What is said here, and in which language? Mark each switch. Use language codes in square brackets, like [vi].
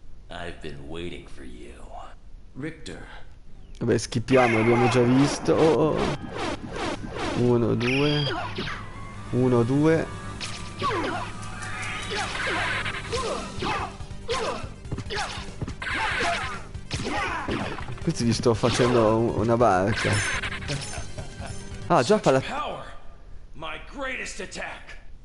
[en] I've been waiting for you. Richter. [it] Vabbè, skippiamo, abbiamo già visto. Oh, 1, 2. 1, 2. Questi gli sto facendo una barca. Ah, già fa la... [en] Power, my greatest attack.